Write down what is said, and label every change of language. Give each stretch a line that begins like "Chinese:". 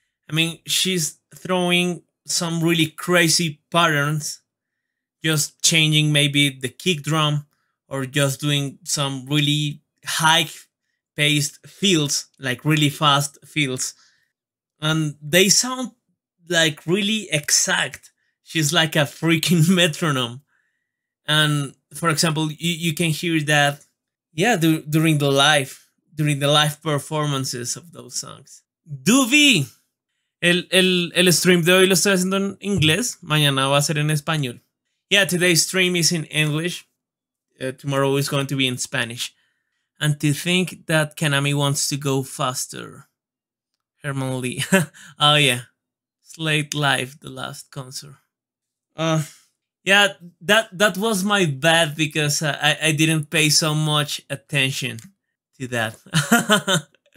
English: I mean, she's throwing some really crazy patterns, just changing maybe the kick drum or just doing some really high paced fills, like really fast fills. And they sound like really exact. She's like a freaking metronome. And for example, you can hear that, yeah, during the live performances of those songs.
Spanish: Duvi, el stream de hoy lo estoy haciendo en inglés, mañana va a ser en español.
English: Yeah, today's stream is in English, tomorrow is going to be in Spanish. And to think that Kenami wants to go faster, Herman Lee. Oh yeah, Slate Live, the last concert. Yeah, that was my bad because I didn't pay so much attention to that.